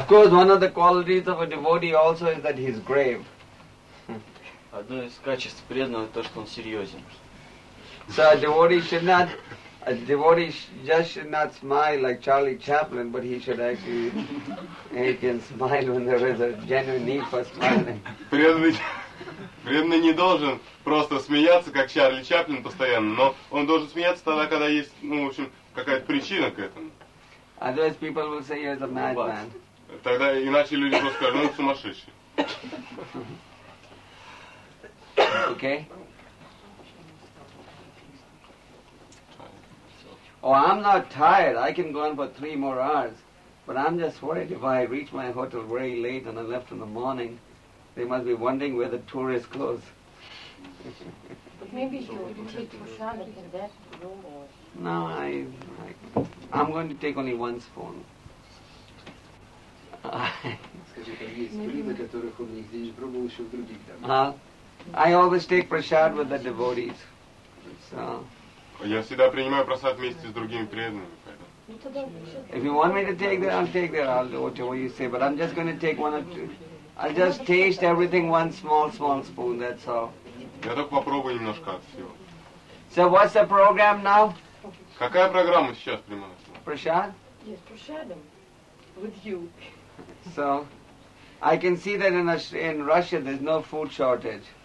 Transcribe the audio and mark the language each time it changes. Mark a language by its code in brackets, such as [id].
[en] Of course, one of the qualities of a devotee also is that he is grave. [ru] Одно из качеств преданного то, что он серьезен. [en] So a devotee should not, a devotee just should not smile like Charlie Chaplin, but he should actually, he can smile when there is a genuine need for smiling. [ru] Преданный не должен просто смеяться, как Чарли Чаплин постоянно, но он должен смеяться тогда, когда есть, ну, в общем, какая-то причина к этому. [en] Otherwise people will say he's a madman. [ru] Тогда иначе люди просто скажут, ну, он сумасшедший. [en] Okay. Oh, I'm not tired. I can go on for 3 more hours. But I'm just worried if I reach my hotel very late and I left in the morning, they must be wondering where the tour is closed. But maybe you can take Prashanath in that room or... No, I'm going to take only one spoon. I always take Prashad with the devotees. So... [ru] Я всегда принимаю просад вместе с другими преданными. [en] If you want me to take that, I'll take that. I'll do whatever you say. But I'm just going to take one or two. I'll just taste everything one small spoon. That's all. [ru] Я только попробую немножко от всего. [en] So what's the program now? [ru] Какая программа сейчас прямая? [en] Prashad? Yes, Prashadam. With you. So, I can see that in Russia there's no food shortage.